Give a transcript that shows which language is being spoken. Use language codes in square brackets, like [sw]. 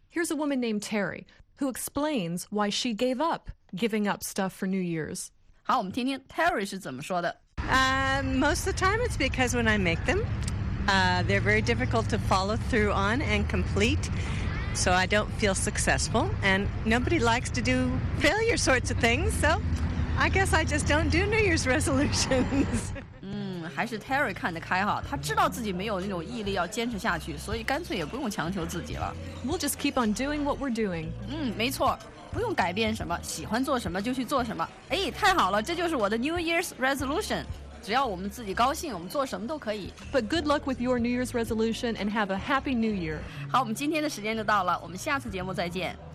[en] Here's a woman named Terry who explains why she gave up giving up stuff for New Year's. [zh] 好，我们听听 Terry 是怎么说的。 [en] Most of the time, it's because when I make them. They're very difficult to follow through on and complete, so I don't feel successful, and nobody likes to do failure sorts of things, so I guess I just don't do New Year's resolutions. [zh] 还是 Terry 看得开哈，他知道自己没有那种毅力要坚持下去，所以干脆也不用强求自己了。 [en] We'll just keep on doing what we're doing. [zh] 没错，不用改变什么，喜欢做什么就去做什么。哎，太好了，这就是我的 [en] New Year's resolution. [zh] 只要我们自己高兴，我们做什么都可以。 [en] But good luck with your New Year's resolution and have a happy New Year. [zh] 好，我们今天的时间就到了，我们下次节目再见。